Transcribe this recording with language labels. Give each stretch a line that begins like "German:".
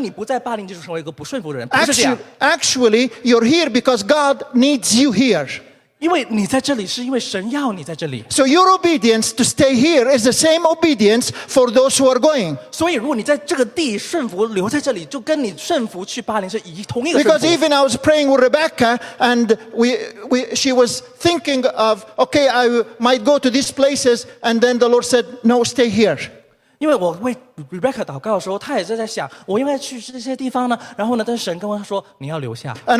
Chinese: 因为不是因为我人生在巴林就成为我一个顺服的人，而你不在巴林就成为一个不顺服的人。
English: Actually, you're here because God needs you here.
Chinese: 因为你在这里是因为神要你在这里。
English: So your obedience to stay here is the same obedience for those who are going.
Chinese: 所以如果你在这个地顺服留在这里，就跟你顺服去巴林是一同一个顺服。
English: Because even I was praying with Rebecca, and she was thinking of, okay, I might go to these places, and then the Lord said, no, stay here.
Chinese: 因为我为 Rebecca 祷告的时候，她也是在想，我应该去这些地方呢。然后呢，但是神跟我说，你要留下。And